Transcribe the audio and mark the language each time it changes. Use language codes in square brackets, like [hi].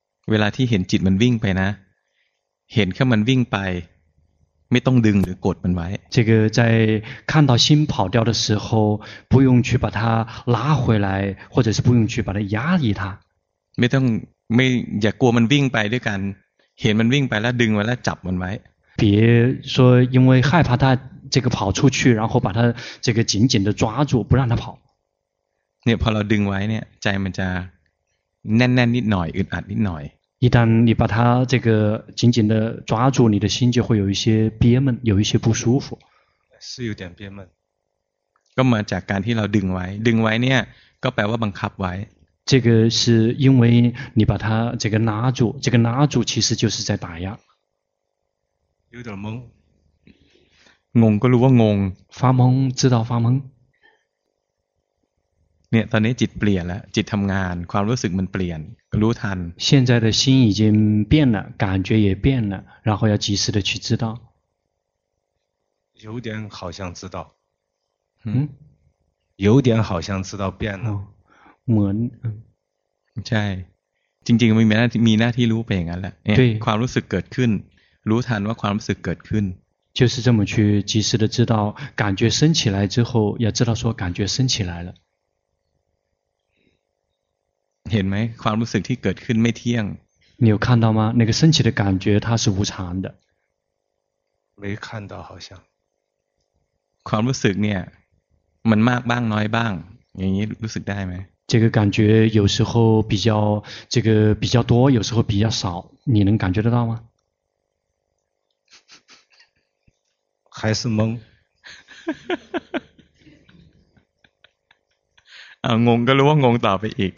[th] เวลาที่เห็นจิตมันวิ่งไปนะเห็นแค่มันวิ่งไปไม่ต้องดึงหรือกดมันไว้ [zh] 这个在看到心跑掉的时候不用去把它拉回来或者是不用去把它压抑它 [th] ไม่ต้องไม่อย่ากลัวมันวิ่งไปด้วยกันเห็นมันวิ่งไปแล้วดึงไว้แล้วจับมันไว้ [zh] 别说因为害怕它这个跑出去然后把它这个紧紧的抓住不让它跑 [th] เนี่ยพอเราดึงไว้เนี่ยใจมันจะแน่นๆ นิดหน่อยอึดอัดนิดหน่อย [zh] 一旦你把它这个紧紧的抓住，你的心就会有一些憋闷，有一些不舒服。是有点憋闷。 [th] ก็มาจากการที่เราดึงไว้ดึงไว้เนี่ยก็แปลว่าบังคับไว้ [zh] 这个是因为你把它这个拉住，这个拉住其实就是在打压。有点懵。 [th] งงก็รู้ว่างง。 [zh] 发懵知道发懵。 [th] เนี่ยตอนนี้จิตเปลี่ยนแล้วจิตทำงานความรู้สึกมันเปลี่ยนรู้ทัน [zh] 现在的心已经变了感觉也变了然后要及时的去知道有点好像知道嗯有点好像知道变了 [th] เหมือน ใช่จริงๆมีหน้าที่รู้ไปอย่างนั้นแหละความรู้สึกเกิดขึ้นรู้ทันว่าความรู้สึกเกิดขึ้น [zh] 就是这么去及时的知道感觉升起来之后要知道说感觉升起来了 [th] เห็นไหมความรู้สึกที่เกิดขึ้นไม่เที่ยง [zh] 你有看到吗那个升起的感觉它是无常的没看到好像 [th] ความรู้สึกเนี่ยมันมากบ้างน้อยบ้างอย่างนี้รู้สึกได้ไหม [zh] 这个感觉有时候比较这个比较多有时候比较少你能感觉得到吗还是懵 [th] งงก็รู้ว่างงต่อไปอีก